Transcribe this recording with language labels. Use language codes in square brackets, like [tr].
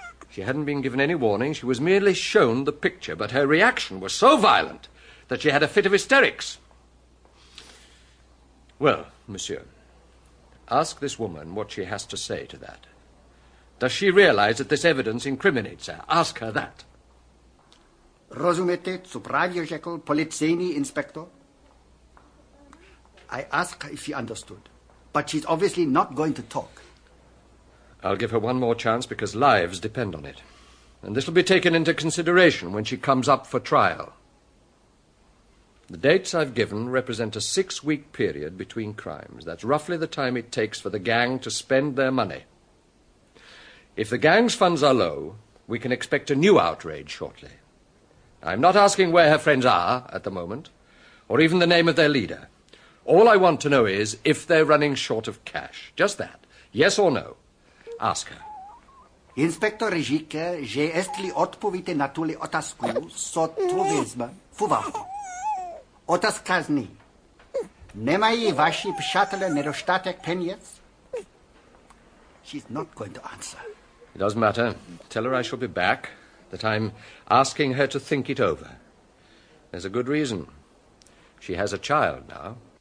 [en] She hadn't been given any warning. She was merely shown the picture, but her reaction was so violent that she had a fit of hysterics. Well, monsieur, ask this woman what she has to say to that. Does she realize that this evidence incriminates her? Ask her that. [cs] Rozumete, co právě řekl policejní inspektor? [en] I ask her if she understood, but she's obviously not going to talk. I'll give her one more chance because lives depend on it. And this will be taken into consideration when she comes up for trial. The dates I've given represent a 6-week period between crimes. That's roughly the time it takes for the gang to spend their money. If the gang's funds are low, we can expect a new outrage shortly. I'm not asking where her friends are at the moment, or even the name of their leader. All I want to know is if they're running short of cash. Just that. Yes or no. Ask her. [cs] Inspektor říká, že jestli odpovíte na tuhle otázku, co to vezme v úvahu. Otázka zní. Nemají vaši přátelé nedostatek peněz? [en] She's not going to answer. It doesn't matter. Tell her I shall be back, that I'm asking her to think it over. There's a good reason. She has a child now.